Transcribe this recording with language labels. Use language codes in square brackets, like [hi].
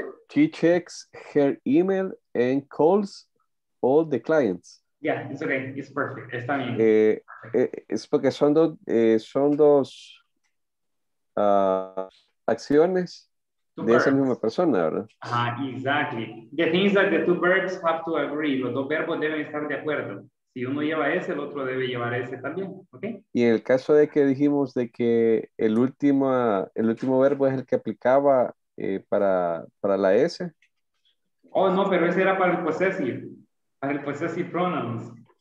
[en] She checks her email and calls all the clients. Yeah, it's okay. It's perfect. [es] Está bien. Es porque son dos acciones de esa misma persona, ¿verdad? [en] Ah, exactly. The thing is that the two verbs have to agree. [es] Los dos verbos deben estar de acuerdo. Si uno lleva ese, el otro debe llevar ese también, ¿okay? Y en el caso de que dijimos de que el último verbo es el que aplicaba para la S. Oh, no, pero ese era para el posesivo. Para el possessive pronouns.